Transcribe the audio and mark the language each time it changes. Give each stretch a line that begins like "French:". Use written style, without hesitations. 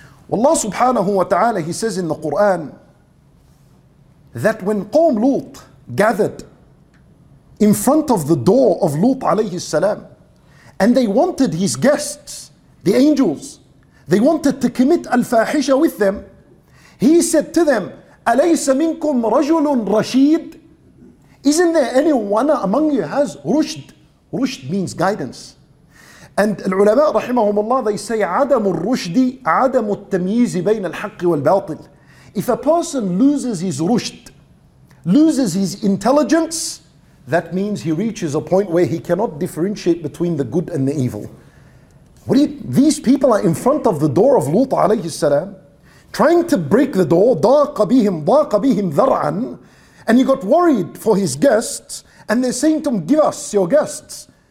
English: Allah subhanahu wa ta'ala, he says in the Quran, that when Qawm Lut gathered in front of the door of Lut alayhi salam, and they wanted his guests, the angels, they wanted to commit al-fahisha with them, he said to them,
Arabic: أَلَيْسَ مِنْكُمْ رَجُلٌ رَشِيدٌ.
English: Isn't there anyone among you has rushd? Rushd means guidance. And al-ulama rahimahumullah, they say,
Arabic: عَدَمُ الرُّشْدِ عَدَمُ التَّمْيِيزِ بَيْنَ الْحَقِّ وَالْبَاطِلِ.
English: If a person loses his rushd, loses his intelligence, that means he reaches a point where he cannot differentiate between the good and the evil. These people are in front of the door of Lut alayhi salam, trying to break the door,
Arabic: daqa bihim dhar'an,
English: and he got worried for his guests, and they're saying to him, give us your guests.